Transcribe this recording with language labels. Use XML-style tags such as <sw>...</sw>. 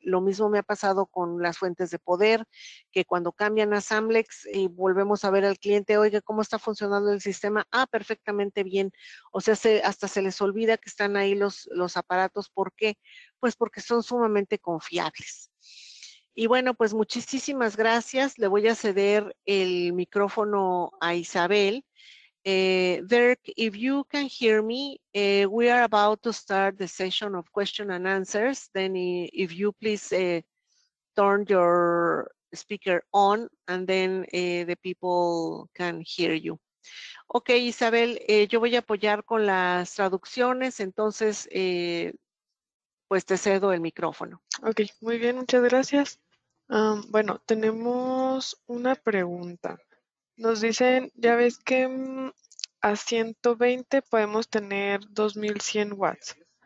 <es>Lo mismo me ha pasado con las fuentes de poder, que cuando cambian a SAMLEX y volvemos a ver al cliente, oiga, ¿cómo está funcionando el sistema? Ah, perfectamente bien. O sea, hasta se les olvida que están ahí los aparatos. ¿Por qué? Pues porque son sumamente confiables. Y bueno, pues muchísimas gracias. Le voy a ceder el micrófono a Isabel.</es> <en>Dirk, if you can hear me, we are about to start the session of question and answers. Then if you please turn your speaker on and then the people can hear you.</en> <es>Ok, Isabel, yo voy a apoyar con las traducciones. Entonces, pues te cedo el micrófono. Ok, muy bien, muchas gracias. Bueno, tenemos una pregunta. Nos dicen, ya ves que a 120 podemos tener 2100 watts.</es>